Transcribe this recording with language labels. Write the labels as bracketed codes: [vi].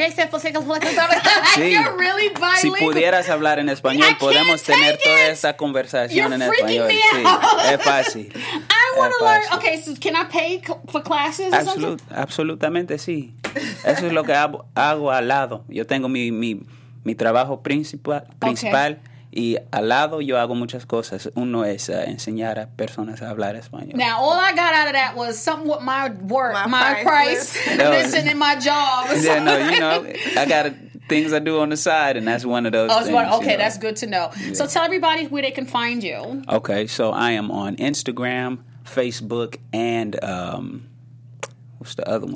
[en] You're really bilingual. [es] Si pudieras hablar en español, podemos tener toda esa conversación en español. Es fácil. [en] I want to learn. Okay, so can I pay for classes? [es] Absolutamente, sí. Eso es lo que hago al lado. Yo tengo mi trabajo principal. Y al lado yo hago muchas cosas. Uno es enseñar a personas a hablar español. [en] Now, all I got out of that was something with my work, my price, missing in my jobs. Yeah, no, you know, I got things I do on the side, and that's one of those things. That's good to know. Yeah. So tell everybody where they can find you. Okay, so I am on Instagram, Facebook, and what's the other one?